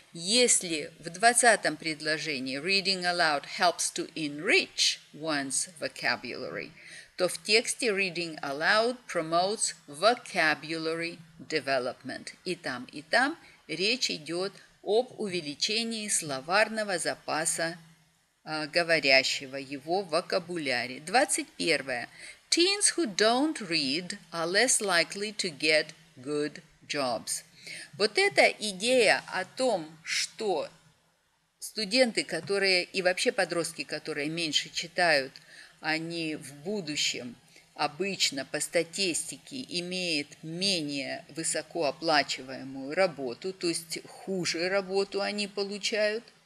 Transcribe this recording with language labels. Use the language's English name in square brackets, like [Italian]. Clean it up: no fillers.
[Russian] Если в 20-м предложении [English] reading aloud helps to enrich one's vocabulary, [Russian] то в тексте [English] reading aloud promotes vocabulary development. [Russian] И там речь идет об увеличении словарного запаса говорящего, его вокабуляре. 21-е. [English] Teens who don't read are less likely to get good jobs. [Russian] Вот эта идея о том, что студенты, которые и вообще подростки, которые меньше читают, они в будущем обычно по статистике имеют менее высокооплачиваемую работу, то есть хуже работу они получают.